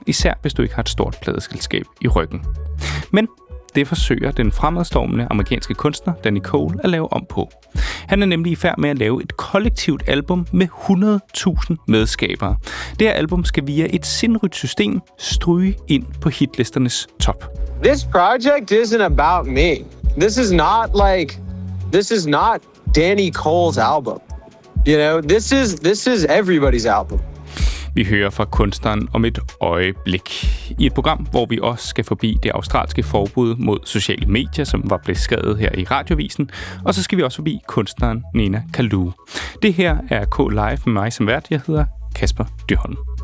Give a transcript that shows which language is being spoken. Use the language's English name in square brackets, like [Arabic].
[Danish] Især hvis du ikke har et stort pladeselskab i ryggen. Men det forsøger den fremadstormende amerikanske kunstner Danny Cole at lave om på. Han er nemlig i færd med at lave et kollektivt album med 100.000 medskabere. Det her album skal via et sindrygt system stryge ind på hitlisternes top. [English] This project isn't about me. This is not like this is not Danny Cole's album. You know, this is everybody's album. [Danish] Vi hører fra kunstneren om et øjeblik. I et program, hvor vi også skal forbi det australske forbud mod sociale medier, som var beskrevet her i radiovisen. Og så skal vi også forbi kunstneren Nina Kalu. Det her er K-Live med mig som vært. Jeg hedder Kasper Dyholm.